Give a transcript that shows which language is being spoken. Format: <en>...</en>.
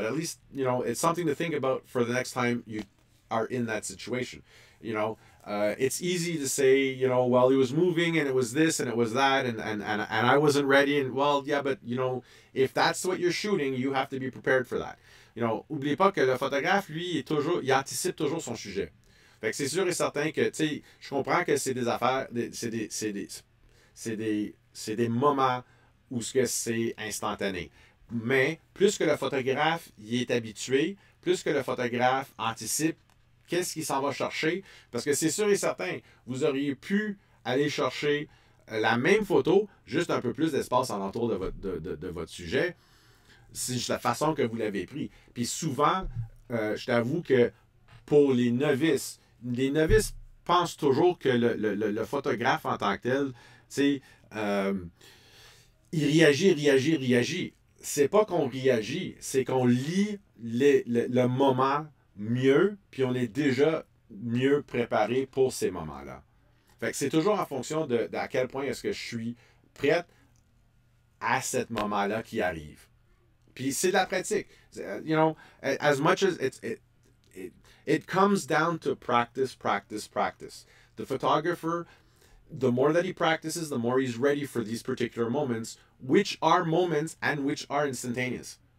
<en>But at least, you know, it's something to think about for the next time you are in that situation. You know, it's easy to say, you know, well, he was moving and it was this and it was that and I wasn't ready. And well, yeah, but, you know, if that's what you're shooting, you have to be prepared for that. You know,</en> <fr>oublie pas que le photographe, lui, il anticipe toujours son sujet. Fait que c'est sûr et certain que, tu sais, je comprends que c'est des affaires, c'est des moments où ce que c'est instantané. Mais plus que le photographe y est habitué, plus que le photographe anticipe qu'est-ce qu'il s'en va chercher. Parce que c'est sûr et certain, vous auriez pu aller chercher la même photo, juste un peu plus d'espace alentour de votre sujet, c'est juste la façon que vous l'avez pris. Puis souvent, je t'avoue que pour les novices pensent toujours que le photographe en tant que tel, tu sais, il réagit. C'est pas qu'on réagit, c'est qu'on lit le moment mieux, puis on est déjà mieux préparé pour ces moments-là. Fait que c'est toujours en fonction de à quel point est-ce que je suis prête à ce moment-là qui arrive. Puis c'est de la pratique.</fr> <en>You know, as much as it comes down to practice. The photographer, the more that he practices, the more he's ready for these particular moments, which are moments and which are instantaneous.</en>